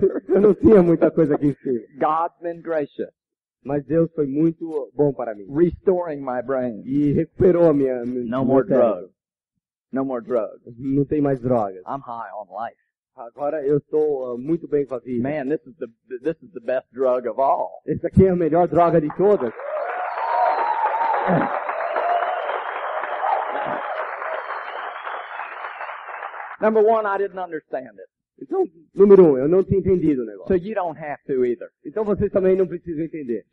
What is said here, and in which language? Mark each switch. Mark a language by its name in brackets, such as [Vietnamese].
[Portuguese] Eu não tinha muita coisa aqui em cima. [English] God's been gracious. [Portuguese] Mas Deus foi muito bom para mim. [English] Restoring my brain. [Portuguese] E recuperou a minha. [English] No more drugs. No more drugs. [Portuguese] Não tem mais drogas. [English] I'm high on life. [Portuguese] Agora eu estou muito bem com a vida. [English] Man, this is the best drug of all. [Portuguese] Essa aqui é a melhor droga de todas. [English] Number one, I didn't understand it. [Portuguese] Então, número um, eu não tinha entendido o negócio. [English] So you don't have to either. [Portuguese] Então vocês também não precisam entender.